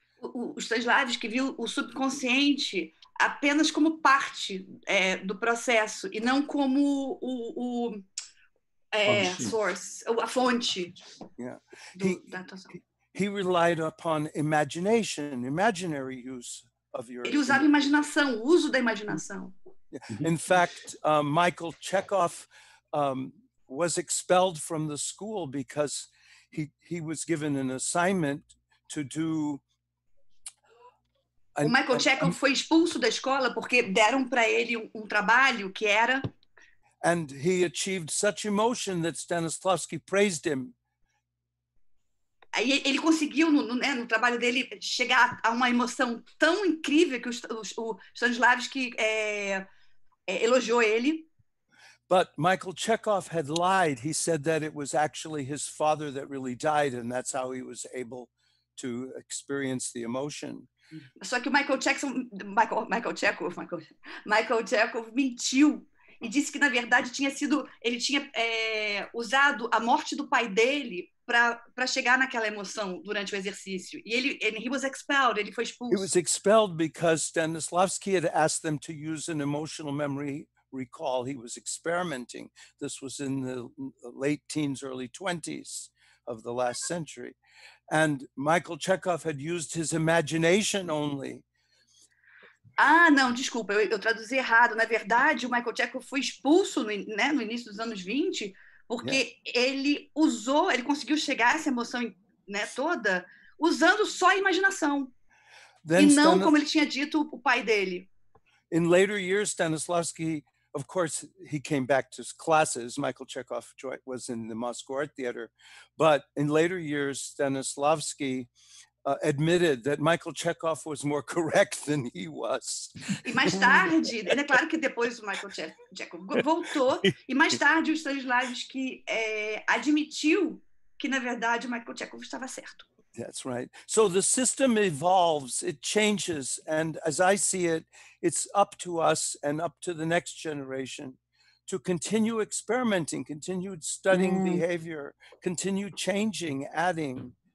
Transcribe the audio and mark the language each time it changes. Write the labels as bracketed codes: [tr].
[pt] O Stanislavski viu o subconsciente apenas como parte do processo e não como a fonte. [en] Yeah. He relied upon imagination, imaginary use of your... [pt] Ele usava imaginação, o uso da imaginação. [en] In fact, Michael Chekhov was expelled from the school because he was given an assignment to do [pt] O Michael Chekhov foi expulso da escola porque deram para ele um trabalho que era... [en] And he achieved such emotion that Stanislavski praised him. [pt] Aí ele conseguiu no trabalho dele chegar a uma emoção tão incrível que o Stanislavski elogiou ele. [en] But Michael Chekhov had lied. He said that it was actually his father that really died, and that's how he was able to experience the emotion. [pt] Só que o Michael Chekhov mentiu e disse que na verdade ele tinha usado a morte do pai dele para chegar naquela emoção durante o exercício. E ele foi expulso. [en] He was expelled because Stanislavski had asked them to use an emotional memory recall. He was experimenting. This was in the late teens, early 20s of the last century. And Michael Chekhov had used his imagination only. [pt] Ah, não, desculpa, eu traduzi errado. Na verdade, o Michael Chekhov foi expulso no início dos anos 20, porque ele conseguiu chegar a essa emoção toda usando só a imaginação. Then e não como ele tinha dito o pai dele. [en] In later years, Stanislavski, of course, he came back to his classes. Michael Chekhov was in the Moscow Art Theater. But in later years, Stanislavski admitted that Michael Chekhov was more correct than he was. [pt] E mais tarde, é claro que depois o Michael Chekhov voltou, e mais tarde o Stanislavski admitiu que, na verdade, Michael Chekhov estava certo. [en] That's right. So the system evolves, it changes, and as I see it, it's up to us and up to the next generation to continue experimenting, continue studying behavior, continue changing, adding.